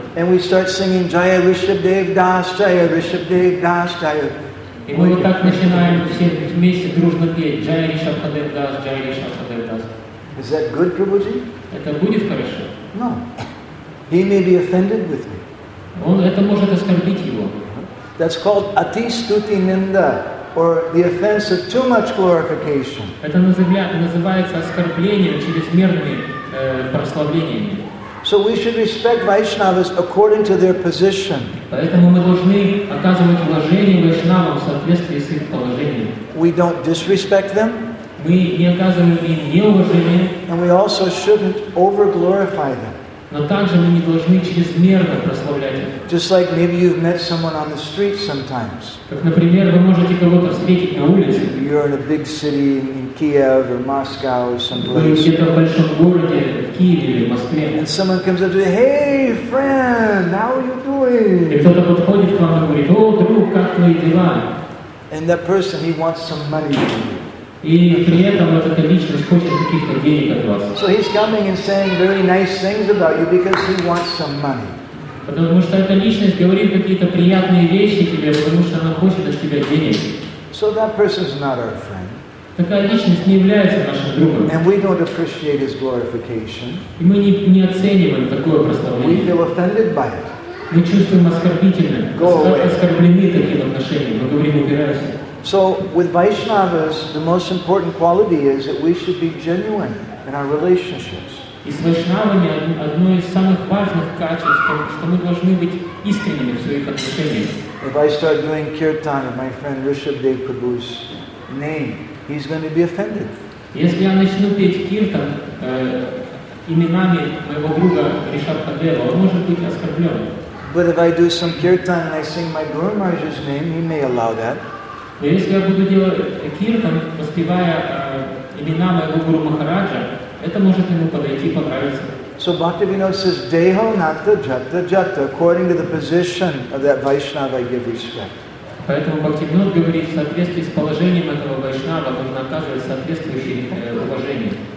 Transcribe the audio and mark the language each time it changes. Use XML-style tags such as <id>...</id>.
<en>And we start singing Jaya Rishabhadev Das, Jaya Rishabhadev Das, Jaya.</en> <ru>И мы вот так начинаем все вместе дружно петь Jaya Rishabhadev Das, Jaya Rishabhadev Das.</ru> <en>Is that good, Prabhuji?</en> <ru>Это будет хорошо?</ru> <en>No. He may be offended with me.</en> <ru>Он это может оскорбить его.</ru> <en>That's called ati stuti ninda, or the offense of too much glorification.</en> <ru>Это называется оскорблением чрезмерными прославлениями.</ru> <en>So we should respect Vaishnavas according to their position.</en> <ru>Поэтому мы должны оказывать уважение вайшнавам в соответствии с их положением.</ru> <en>We don't disrespect them.</en> <ru>Мы не оказываем им неуважения.</ru> <en>And we also shouldn't over-glorify them.</en> <ru>Но также мы не должны чрезмерно прославлять их.</ru> <en>Just like maybe you've met someone on the street sometimes.</en> <ru>Как, например, вы можете кого-то встретить на улице.</ru> <en>You're in a big city in Kiev or Moscow or someplace.</en> <ru>Вы где-то в большом городе, в Киеве или в Москве.</ru> <en>And someone comes up to you, hey, friend, how are you doing?</en> <ru>И кто-то подходит к вам и говорит, о, друг, как твои дела?</ru> <en>And that person, he wants some money from you.</en> <ru>И при этом вот эта личность хочет каких-то денег от вас.</ru> <en>So he's coming and saying very nice things about you because he wants some money.</en> <ru>Потому что эта личность говорит какие-то приятные вещи тебе, потому что она хочет от тебя денег.</ru> <en>So that person's not our friend.</en> <ru>Такая личность не является нашим другом.</ru> <en>And we don't appreciate his glorification.</en> <ru>И мы не оцениваем такое прославление.</ru> <en>We feel offended by it.</en> <ru>Мы чувствуем оскорбительно.</ru> <en>Go away.</en> <ru>Оскорблены таким отношением. Мы говорим, убирайся.</ru> <en>So with Vaishnavas, the most important quality is that we should be genuine in our relationships.</en> <ru>И с вайшнавами одно из самых важных качеств, что мы должны быть искренними в своих отношениях.</ru> <en>If I start doing kirtan in my friend Rishabhadev Prabhu's name, he's going to be offended.</en> <ru>Если я начну петь киртан именами моего друга Ришабхадева, он может быть оскорблен.</ru> <en>But if I do some kirtan and I sing my Guru Maharaj's name, he may allow that.</en> <ru>Но если я буду делать киртан, воспевая имена моего гуру Махараджа, это может ему подойти, понравиться.</ru> <en>So Bhaktivinoda says, Deho Nakta Jata Jata, according to the position of that Vaishnava I give respect.</en> <ru>Поэтому Бхактивинода говорит, в соответствии с положением этого Вайшнава, нужно оказывать соответствующее уважение.</ru>